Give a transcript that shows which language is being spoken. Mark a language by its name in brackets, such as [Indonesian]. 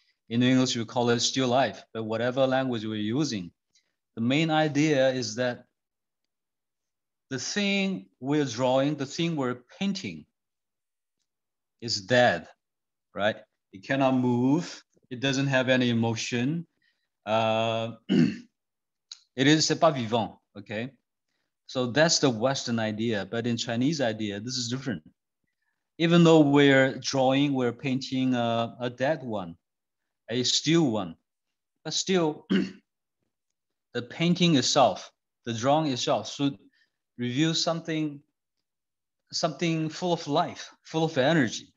[English] In English, we call it still life, but whatever language we're using, the main idea is that the thing we're drawing, the thing we're painting is dead, right? It cannot move. It doesn't have any emotion. it is, [French] c'est pas vivant, okay? [English] So that's the Western idea, but in Chinese idea, this is different. Even though we're drawing, we're painting a dead one, a still one, but still the painting itself, the drawing itself should reveal something full of life, full of energy.